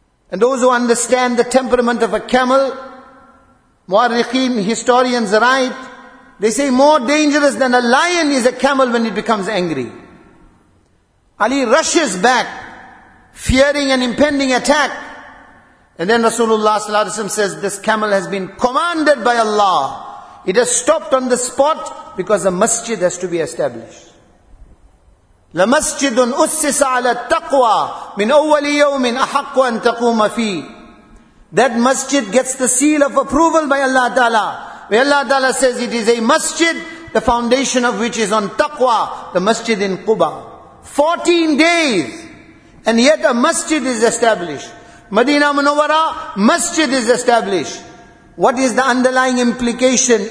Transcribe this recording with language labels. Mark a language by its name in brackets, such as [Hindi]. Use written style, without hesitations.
[English] And those who understand the temperament of a camel, muarrikhin, historians write, they say more dangerous than a lion is a camel when it becomes angry. Ali rushes back, fearing an impending attack. And then Rasulullah sallallahu alaihi wasallam says, this camel has been commanded by Allah. It has stopped on the spot because a masjid has to be established. [Arabic] لَمَسْجِدٌ أُسِّسَ عَلَى التَّقْوَى مِنْ أَوَّلِ يَوْمٍ أَحَقُّ أَن تَقُومَ فِيهِ [English] That masjid gets the seal of approval by Allah Ta'ala. Where Allah Ta'ala says it is a masjid, the foundation of which is on taqwa, the masjid in Quba. 14 days, and yet a masjid is established. Madinah Munawwara, masjid is established. What is the underlying implication?